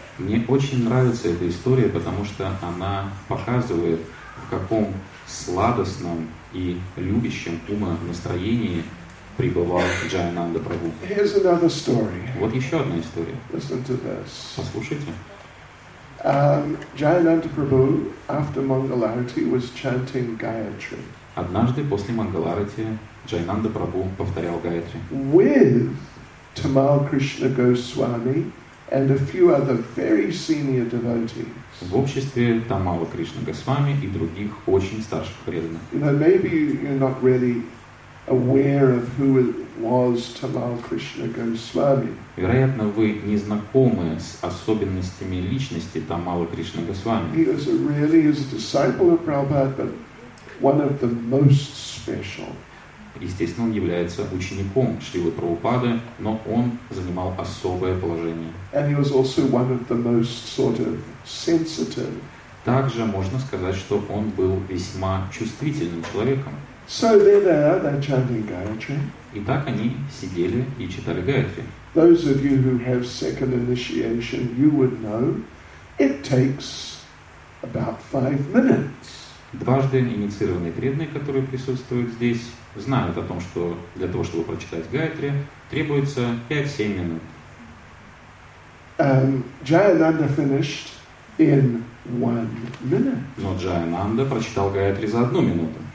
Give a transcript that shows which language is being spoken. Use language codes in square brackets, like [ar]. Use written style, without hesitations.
[ru] Мне очень нравится эта история, потому что она показывает, в каком сладостном и любящем умонастроении пребывал Джайананда Прабху. [en] Here's another story. [ru] Вот еще одна история. [en] Listen to this. [ru] Послушайте. [en] Jayananda Prabhu, after Mangalarati, was chanting Gayatri. [ru] Однажды после Мангаларати Джайананда Прабху повторял Гаятри. [en] With Tamal Krishna Goswami and a few other very senior devotees. [ru] В обществе Тамала Кришна Госвами и других очень старших преданных. [en] You know, maybe you're not really aware of who it was Tamal Krishna Goswami. [ru] Вероятно, вы не знакомы с особенностями личности Тамала Кришна Госвами. [en] He was really a disciple of Prabhupada, but one of the most special. [ru] Естественно, он является учеником Шрилы Прабхупады, но он занимал особое положение. [en] And he was also one of the most sort of sensitive. [ru] Также можно сказать, что он был весьма чувствительным человеком. [en] So there they are, they're chanting Gayatri. [ru] Итак, они сидели и читали Гаятри. [en] Those of you who have second initiation, you would know, it takes about 5 minutes. [ru] Дважды инициированные преданные, которые присутствуют здесь, знают о том, что для того, чтобы прочитать Гаятри, требуется 5-7 минут. [en] Jayananda finished in 1 minute. [ru] Но Джайананда прочитал Гаятри за 1 минуту.